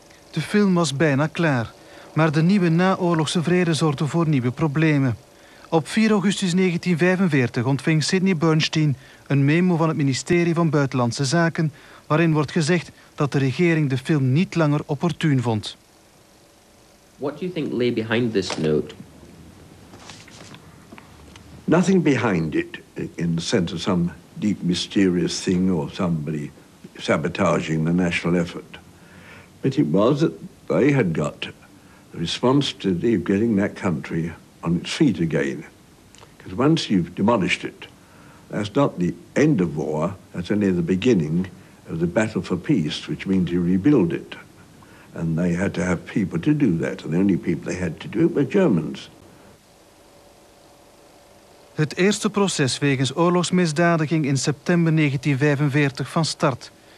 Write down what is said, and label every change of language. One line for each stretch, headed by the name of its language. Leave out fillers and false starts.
Dutch: De film was bijna klaar, maar de nieuwe naoorlogse vrede zorgde voor nieuwe problemen. Op 4 augustus 1945 ontving Sidney Bernstein een memo van het ministerie van Buitenlandse Zaken, waarin wordt gezegd dat de regering de film niet langer opportuun vond.
English: What do you think lay behind this note? Nothing behind it, in the sense of some deep mysterious thing or somebody sabotaging the national effort. But it was that they had got the responsibility of getting that country on its feet again. Because once you've demolished it, that's not the end of war, that's only the beginning of the battle for peace, which means you rebuild it. And they had to have people to do that. And the only people they had to do it were Germans.
Dutch: Het eerste proces wegens oorlogsmisdaden ging in september 1945 van start.